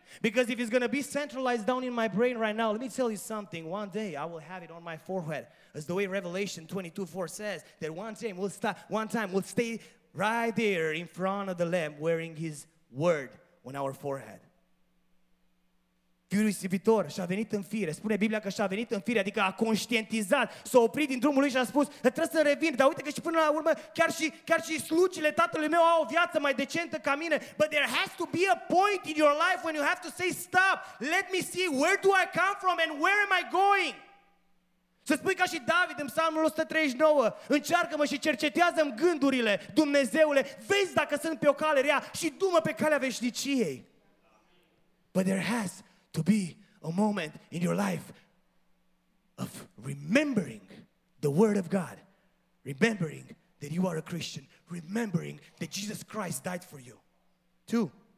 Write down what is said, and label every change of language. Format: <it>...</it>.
<en>Because if it's going to be centralized down in my brain right now, let me tell you something. One day I will have it on my forehead. As the way Revelation 22:4 says, that one time we'll stay right there in front of the Lamb wearing His word on our forehead.</en> <ro>Fiul risipitor și-a venit în fire. Spune Biblia că și-a venit în fire, adică a conștientizat, s-a oprit din drumul lui și a spus, trebuie să revin, dar uite că și până la urmă, chiar și slugile tatălui meu au o viață mai decentă ca mine.</ro> <en>But there has to be a point in your life when you have to say, stop, let me see, where do I come from and where am I going?</en> <ro>Să spui ca și David în Psalmul 139, încearcă-mă și cercetează-mi gândurile, Dumnezeule, vezi dacă sunt pe o cale rea și du-mă pe calea veșniciei.</ro> <en>But there has to be a moment in your life of remembering the word of God, remembering that you are a Christian, remembering that Jesus Christ died for you. 2.</en>